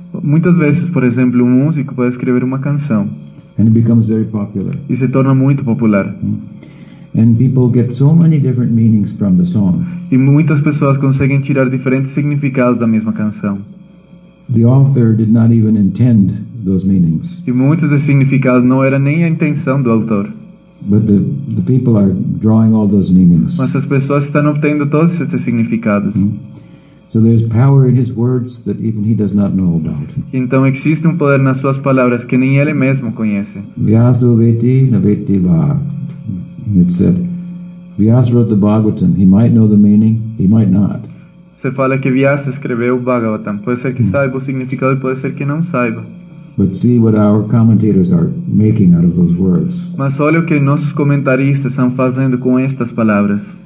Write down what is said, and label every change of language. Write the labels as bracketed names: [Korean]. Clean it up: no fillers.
[Portuguese] Muitas vezes, por exemplo, um músico pode escrever uma canção. [English] And it becomes very popular. [Portuguese] E se torna muito popular. [English] And people get so many different meanings from the song. [Portuguese] E muitas pessoas conseguem tirar diferentes significados da mesma canção. [English] The author did not even intend those meanings. [Portuguese] E muitos dos significados não era nem a intenção do autor. [English] But the people are drawing all those meanings. [Portuguese] Mas as pessoas estão obtendo todos esses significados. [English] So there's power in his words that even he does not know about. [Portuguese] Então existe poder nas suas palavras que nem ele mesmo conhece. [Sanskrit] Vyasa veti na veti va. [English] It said, Vyasa wrote the Bhagavatam. He might know the meaning, he might not. [Portuguese] Se fala que Vyasa escreveu o Bhagavatam. Pode ser que saiba o significado e pode ser que não saiba. [English] But see what our commentators are making out of those words. [Portuguese] Mas olha o que nossos comentaristas estão fazendo com estas palavras.